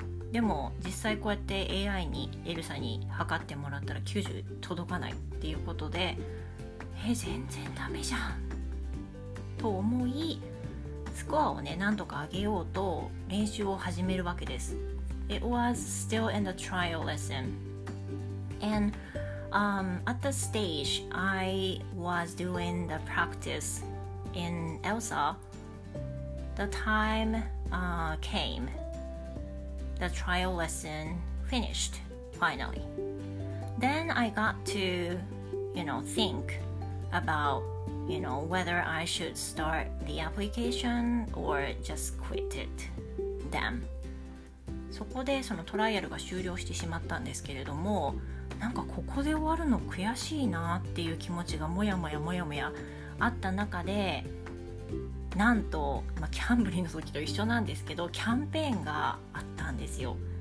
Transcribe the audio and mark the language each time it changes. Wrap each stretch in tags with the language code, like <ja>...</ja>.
<ja>でも実際こうやって AI にELSAに測ってもらったら90届かないっていうことで、全然ダメじゃんと思い、スコアをね、何とか上げようと練習を始めるわけです。</ja> <en>It was still in the trial lesson. And at the stage, I was doing the practice in ELSA. The time came. The trial lesson finished, finally. Then I got to, think about,whether I should start the application or just quit it then.</en> <ja>そこでそのトライアルが終了してしまったんですけれども、なんかここで終わるの悔しいなっていう気持ちがもやもやもやもやあった中で、なんと、まあ、キャンブリーの時と一緒なんですけど、キャンペーンがあったんですよ。</ja>